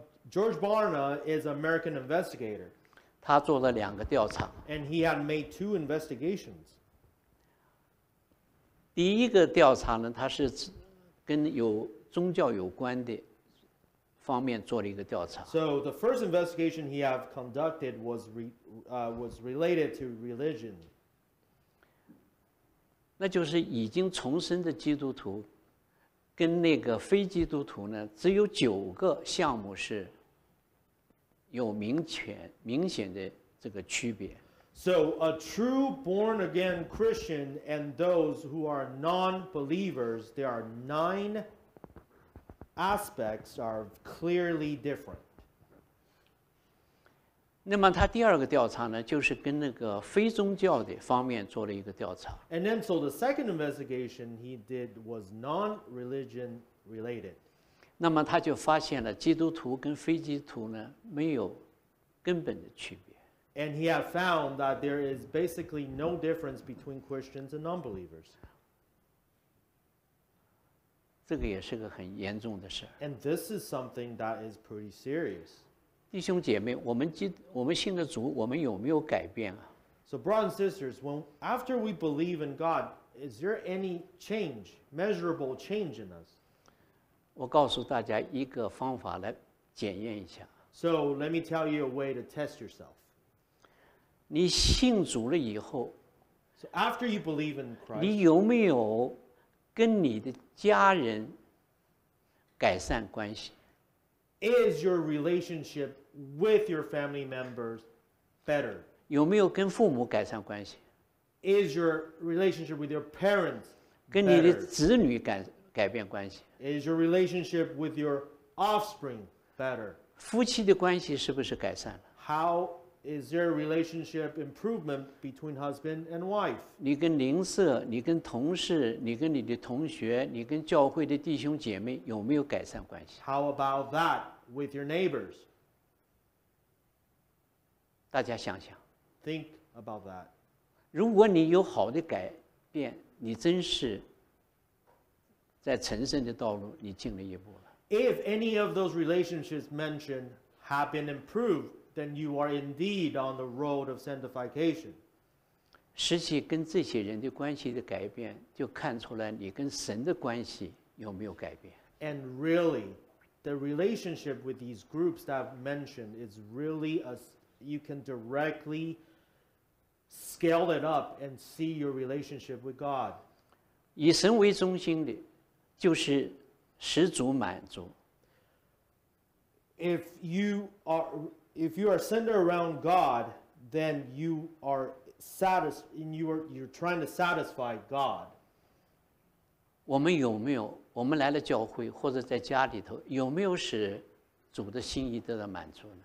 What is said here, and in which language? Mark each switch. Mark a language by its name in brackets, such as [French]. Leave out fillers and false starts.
[English] George Barna is an American investigator. [Chinese] 他做了两个调查。 [English] And he had made two investigations. [Chinese] 第一个调查呢，他是跟有宗教有关的方面做了一个调查。 [English] So the first investigation he have conducted was related to religion. [Chinese] 那就是已经重生的基督徒跟那个非基督徒呢，只有九个项目是有明显的这个区别。 [English] So a true born again Christian and those who are non-believers, there are 9 aspects are clearly different. [Chinese] 那么他第二个调查呢，就是跟那个非宗教的方面做了一个调查。 [English] And then so the second investigation he did was non-religion related. [Chinese] 那么他就发现了基督徒跟非基督徒呢，没有根本的区别。 [English] And he had found that there is basically no difference between Christians and non-believers. [Chinese] 这个也是个很严重的事。 [English] And this is something that is pretty serious. [Chinese] 弟兄姐妹，我们信了主，我们有没有改变啊？ [English] So brothers and sisters, when after we believe in God, is there any change, measurable change in us? [Chinese] 我告诉大家一个方法来检验一下。 [English] So let me tell you a way to test yourself. [Chinese] 你信主了以后 [English] so after you believe in Christ, [Chinese] 你有没有跟你的家人改善关系 [English] Is your relationship with your family members better? [Chinese] 有没有跟父母改善关系 [English] Is your relationship with your parents better? [Chinese] 跟你的子女改变关系 [English] Is your relationship with your offspring better? [Chinese] 夫妻的关系是不是改善了 [English] How? Is there a relationship improvement between husband and wife? [Chinese] 你跟邻舍，你跟同事，你跟你的同学，你跟教会的弟兄姐妹，有没有改善关系？ [English] How about that with your neighbors? [Chinese] 大家想想。 [English] Think about that. [Chinese] 如果你有好的改变，你真是在成圣的道路，你进了一步了。 [English] If any of those relationships mentioned have been improved,then you are indeed on the road of sanctification. [Chinese] 实际跟这些人的关系的改变就看出来你跟神的关系有没有改变。 [English] And really, the relationship with these groups that I've mentioned is really, you can directly scale it up and see your relationship with God. [Chinese] 以神为中心的就是十足满足。 [English] If you are centered around God, then you are satisfied, and you're trying to satisfy God. [Chinese] 我们有没有，我们来了教会或者在家里头，有没有使主的心意得到满足呢？